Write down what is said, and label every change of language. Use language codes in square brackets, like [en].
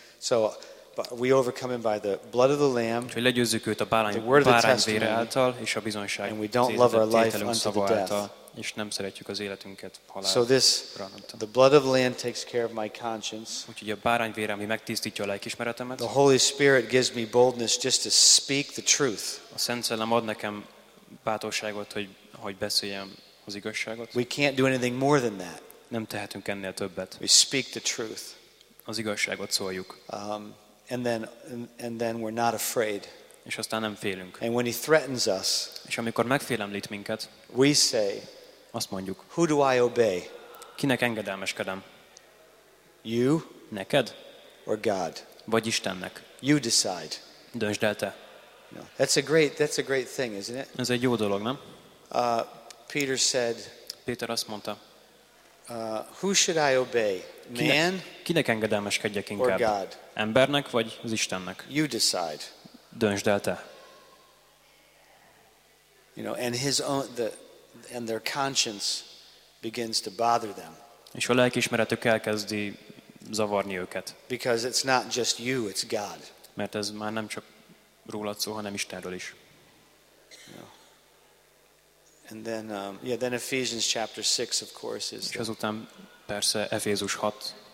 [en] So, but we overcome him by the blood of the lamb. [hu] Úgyhogy legyőzzük őt a bárány vére által és a bizonyság. [en] And we don't love our life unto the death. [hu] És nem szeretjük az életünket halálra. [en] So this, the blood of the lamb takes care of my conscience. [hu] Úgyhogy a bárány vére, ami megtisztítja a lelkiismeretemet. [en] The Holy Spirit gives me boldness just to speak the truth. [hu] A Szent Szellem ad nekem bátorságot, hogy beszéljem az igazságot. [en] We can't do anything more than that. [hu] Nem tehetünk ennél többet. [en] We speak the truth. [hu] Az igazságot szóljuk. [en] And then we're not afraid. [hu] És aztán nem félünk. [en] And when he threatens us, [hu] és amikor megfélemlít minket, [en] we say, [hu] azt mondjuk, [en] who do I obey? [hu] Kinek engedelmeskedem? [en] You? [hu] Neked? [en] Or God? [hu] Vagy Istennek? [en] You decide. [hu] Döntsd el te. [en] No. That's a great thing, isn't it? [hu] Ez egy jó dolog, nem? [en] Peter said, [hu] Péter azt mondta, [en] Who should I obey? Man? [hu] Kinek engedelmeskedjek inkább? [en] Or God? [hu] Embernek vagy az Istennek? [en] You decide. [hu] Döntsd el te. [en] You know, and his own, and their conscience begins to bother them. [hu] És a lelkiismeretük elkezdi zavarni őket. [en] Because it's not just you, it's God. [hu] Mert ez már nem csak rólad szó, hanem Istenről is. [en] And then then Ephesians chapter 6, of course, is. [hu] És azután persze Efézus 6.